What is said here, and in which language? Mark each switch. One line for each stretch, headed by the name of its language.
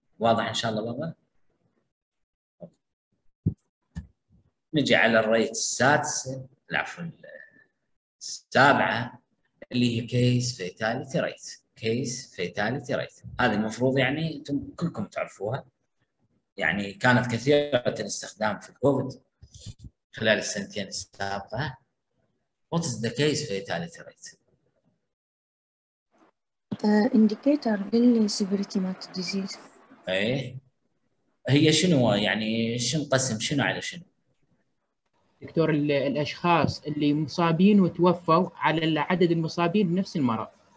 Arabic: واضح ان شاء الله بابا؟ نجي على الريت السادسه، العفو السابعه اللي هي كيس فيتاليتي ريت. كيس فيتاليتي ريت هذه المفروض يعني انتم كلكم تعرفوها، يعني كانت كثيره الاستخدام في الكوفيد خلال السنتين السابقه.
English: What is the case fatality rate؟
Arabic: indicator للسيفيريتي مالت الديزيز. ايه هي شنو يعني شنو انقسم شنو على شنو؟ دكتور الاشخاص اللي مصابين وتوفوا على عدد المصابين بنفس المرض.